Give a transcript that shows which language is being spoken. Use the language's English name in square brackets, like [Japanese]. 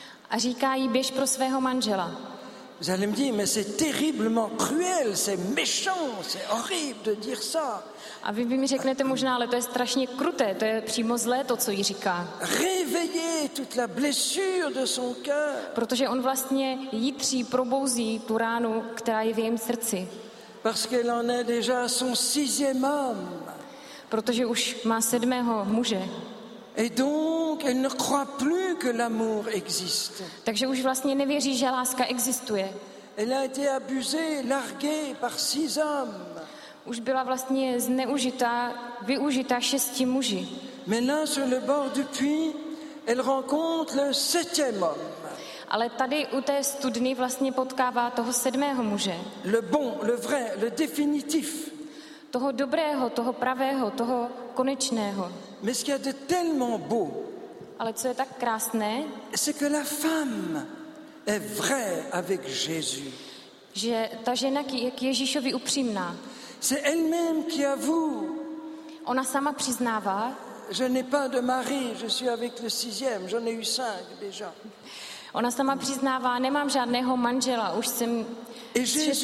[Czech] A říká jí, běž pro svého manžela. [French] Vous allez me dire, mais c'est terriblement cruel, c'est méchant, c'est horrible de dire ça. [Czech] A vy mi řeknete možná, ale to je strašně kruté, to je přímo zlé to, co jí říká. [French] Réveiller toute la blessure de son cœur. [Czech] Protože on vlastně jitří, probouzí tu ránu, která je v jejím srdci. [French] Parce qu'elle en est déjà son sixième homme. [Czech] protože už má 7. muže. [French] Et donc, elle ne croit plus que l'amour existe. [Czech] Takže už vlastně nevěří, že láska existuje. [French] Elle a été abusée, larguée par 6 hommes. [Czech] Už byla vlastně zneužitá, využitá 6 muži. [French] Mais là, sur le bord du puits, elle rencontre le 7. homme. [Czech] Ale tady u té studny vlastně potkává toho 7. muže. [French] Le bon, le vrai, le définitif. [Czech] Toho dobrého, toho pravého, toho konečného. [French] Mais ce qui est tellement beau. [Czech] Ale co je tak krásné? [French] C'est que la femme est vraie avec Jésus. [Czech] Že ta žena je k Ježíšovi upřímná. [French] C'est elle-même qui avoue. [Czech] Ona sama přiznává. [French] Je n'ai pas de mari, je suis avec le 6e, j'en ai eu 5 déjà. [Czech] Ona sama přiznává, nemám žádného manžela, už jsem s 6.